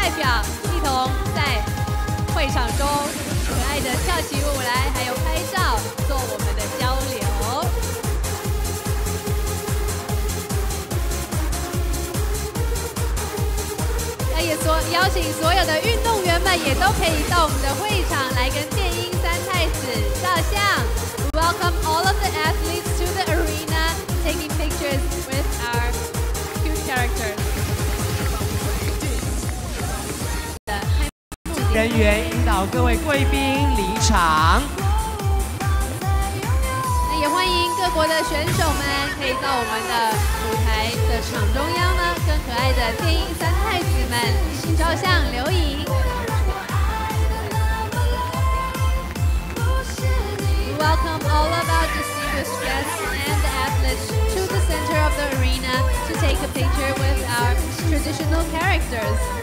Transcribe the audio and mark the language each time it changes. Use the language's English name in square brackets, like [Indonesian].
[Chinese] 代表一同在会场中可爱的跳起舞来，还有拍照做我们的交流。那也说邀请所有的运动员们也都可以到我们的会场来跟电音三太子照相。 [English] Welcome all of the athletes to the arena, taking pictures with our cute characters. [Chinese] 人员引导各位贵宾离场。那也欢迎各国的选手们可以到我们的舞台的场中央呢，跟可爱的电音三太子们照相留影。 [English] Welcome all of our distinguished guests and the athletes to the center of the arena to take a picture with our traditional characters.